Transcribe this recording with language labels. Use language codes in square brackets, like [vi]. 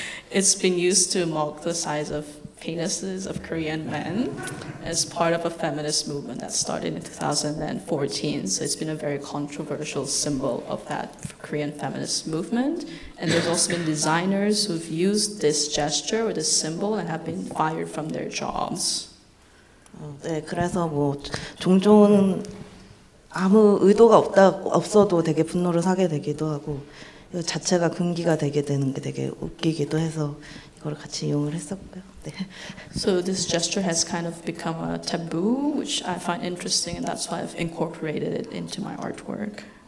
[en] it's been used to mock the size of penises of Korean men as part of a feminist movement that started in 2014. So it's been a very controversial symbol of that Korean feminist movement. And there's also been designers who've used this gesture or this symbol and have been fired from their jobs. [ko] 네, 그래서 뭐 종종은 아무 의도가 없어도 되게 분노를 사게 되기도 하고 이거 자체가 금기가 되게 되는 게 되게 웃기기도 해서 이거를 같이 이용을 했었고요. 네. [en] So this gesture has kind of become a taboo, which I find interesting, and that's why I've incorporated it into my artwork.